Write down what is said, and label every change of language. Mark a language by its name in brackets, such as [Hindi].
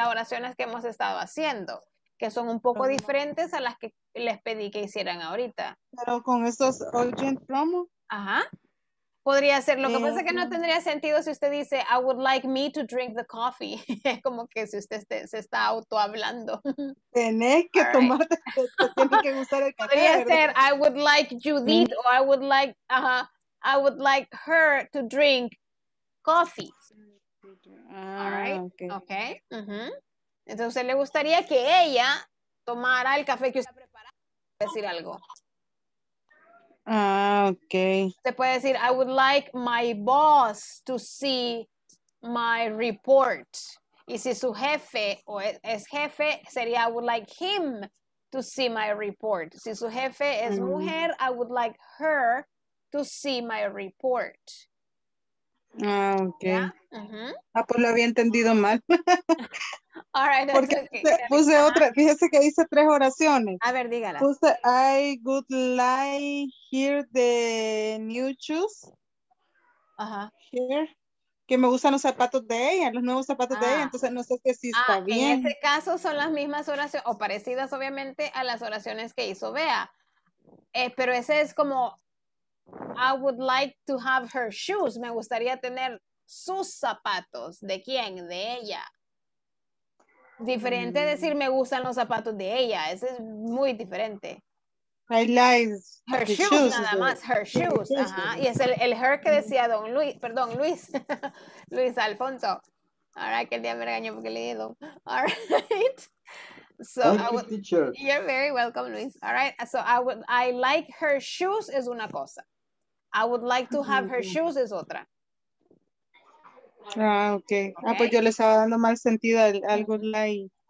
[Spanish] Las oraciones que hemos estado haciendo, que son un poco diferentes a las que les pedí que hicieran ahorita. Pero con estos [English] urgent promo. [Spanish] Ajá. Podría ser. Lo que pasa es que no tendría sentido si usted dice, [English] I would like me to drink the coffee. [Spanish] Es como que si usted se está auto-hablando. Tenés que [English] right. [Spanish] tomar, te tiene que gustar el café. Podría ser, [English] I would like Judith, o I would like her to drink coffee. All right. Okay. Uh-huh. [Spanish] Entonces, ¿usted le gustaría que ella tomara el café que usted ha preparado? Decir algo. [English] Okay. [Spanish] Se puede decir, [English] I would like my boss to see my report. [Spanish] Y si su jefe o es jefe, sería, [English] I would like him to see my report. [Spanish] Si su jefe es mujer, [English] I would like her to see my report. [Spanish] Ah, okay. Ah, pues lo había entendido mal. [English] All right, [Spanish] porque okay. puse otra, fíjese que hice tres oraciones. A ver, dígala. Puse, [English] I would like hear the new shoes. Here. [Spanish] Que me gustan los zapatos de ella, los nuevos zapatos de ella, entonces no sé si está bien. En ese caso son las mismas oraciones, o parecidas obviamente a las oraciones que hizo Bea. Pero ese es como, [English] I would like to have her shoes, [Spanish] me gustaría tener sus zapatos. ¿De quién? De ella. Diferente decir me gustan los zapatos de ella. Eso es muy diferente. [English] I like her shoes, [Spanish] nada más. [English] Her shoes. [Spanish] Ajá. Y es el her que decía Don Luis. Perdón, Luis. Luis Alfonso. [English] All right, [Spanish] que el día me regañó porque le di don. [English] All right. So thank you, teacher. You're very welcome, Luis. All right. So I like her shoes [Spanish] es una cosa. [English] I would like to have her shoes [Spanish] es otra. [English] Ah, okay. [Spanish] Ah, pues yo le estaba dando mal sentido al [English] good like.